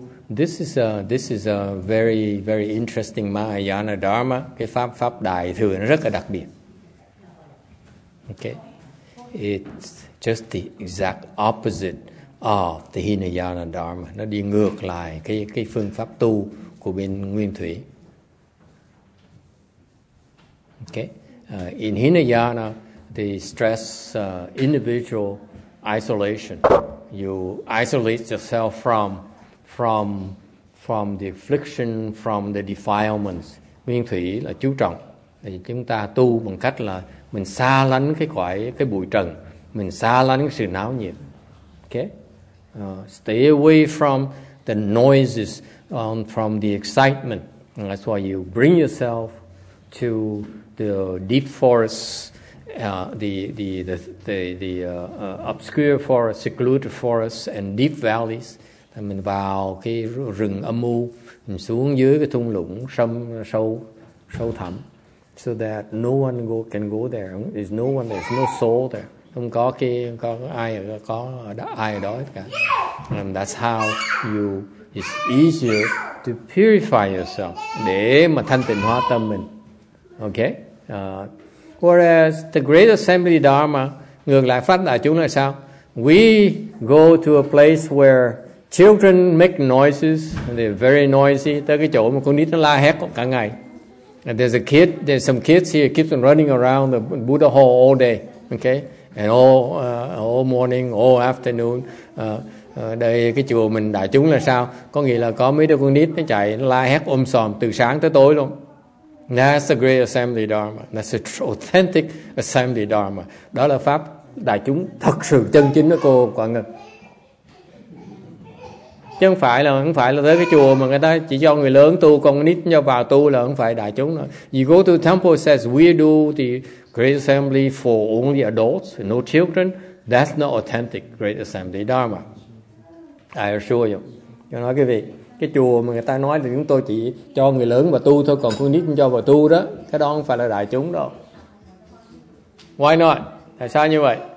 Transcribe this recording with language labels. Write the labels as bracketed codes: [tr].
[en] This is a very very interesting Mahayana Dharma. [vi] Cái pháp đại thừa nó rất là đặc biệt. [en] Okay, it's just the exact opposite of the Hinayana Dharma. [vi] Nó đi ngược lại cái phương pháp tu của bên Nguyên Thủy. [en] Okay, in Hinayana, the stress individual isolation. You isolate yourself from the affliction, from the defilements. [vi] Nguyên Thủy là chú trọng. Thì chúng ta tu bằng cách là mình xa lánh cái bụi trần, mình xa lánh sự náo nhiệt. [en] Okay, stay away from the noises, from the excitement. And that's why you bring yourself to the deep forests. The obscure forest, secluded forest, and deep valleys. [vi] Thì mình vào cái rừng âm u, mình xuống dưới cái thung lũng sâu thẳm, [en] so that no one can go there. There's no one. There's no soul there. [vi] Không có cái có ai ở đó hết cả. [en] And that's how you. It's easier to purify yourself [vi] để mà thanh tịnh hóa tâm mình. [en] Okay. Whereas the Great Assembly Dharma, [vi] ngược lại Pháp Đại chúng là sao? [en] We go to a place where children make noises, and they're very noisy. [vi] Tới cái chỗ mà con nít nó la hét cả ngày. [en] And there's a kid, there's some kids here keep on running around the Buddha hall all day, okay? And all morning, all afternoon. [vi] Đây cái chùa mình đại chúng là sao? Có nghĩa là có mấy đứa con nít nó chạy, nó la hét om sòm từ sáng tới tối luôn. [en] That's the great assembly dharma. That's the authentic assembly dharma. [vi] Đó là pháp đại chúng thật sự chân chính đó cô Quả Ngân. Chứ không phải là tới cái chùa mà người ta chỉ cho người lớn tu, con nít cho vào tu là không phải đại chúng. [en] You go to the temple, says we do the great assembly for only adults, no children. That's not authentic great assembly dharma. I assure you. [vi] Cho nói quý vị, cái chùa mà người ta nói là chúng tôi chỉ cho người lớn vào tu thôi, còn con nít cho vào tu đó, cái đó không phải là đại chúng đâu. [en] Why not? [vi] Tại sao như vậy?